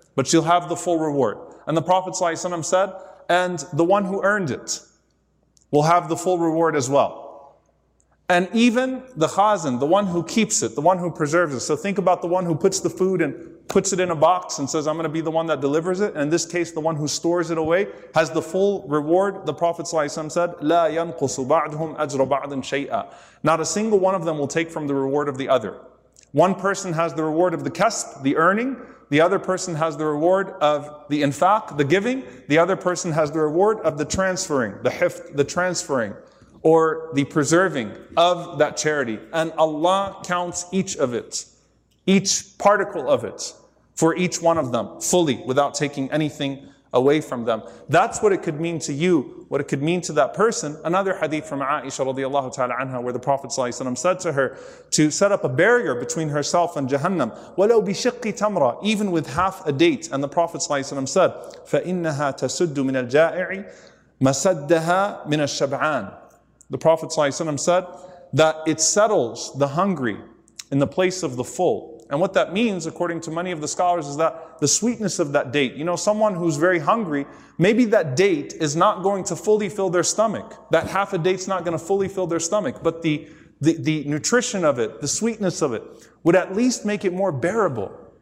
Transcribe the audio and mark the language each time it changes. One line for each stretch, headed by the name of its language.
English: but you'll have the full reward. And the Prophet ﷺ said, and the one who earned it will have the full reward as well. And even the khazin, the one who keeps it, the one who preserves it. So think about the one who puts the food and puts it in a box and says, I'm going to be the one that delivers it. And in this case, the one who stores it away has the full reward.
Arabic: The Prophet ﷺ said, لا ينقص بعدهم أجر بعض شيئا.
English: Not a single one of them will take from the reward of the other. One person has the reward of the kasb, the earning. The other person has the reward of the infaq, the giving. The other person has the reward of the transferring, the hift, the transferring, or the preserving of that charity. And Allah counts each of it, each particle of it, for each one of them, fully, without taking anything away from them. That's what it could mean to you, what it could mean to that person. Another hadith from Aisha radiallahu ta'ala anha, where the Prophet ﷺ said to her to set up a barrier between herself and Jahannam,
Arabic: وَلَوْ بِشِقِّ تَمْرَى,
English: even with half a date.
Arabic: And the Prophet ﷺ said, فَإِنَّهَا تَسُدُّ مِنَ الْجَائِعِ مَسَدَّهَا مِنَ الشَّبْعَانِ.
English: The Prophet ﷺ said that it settles the hungry in the place of the full. And what that means, according to many of the scholars, is that the sweetness of that date, you know, someone who's very hungry, maybe that date is not going to fully fill their stomach. That half a date's not going to fully fill their stomach. But the nutrition of it, the sweetness of it, would at least make it more bearable.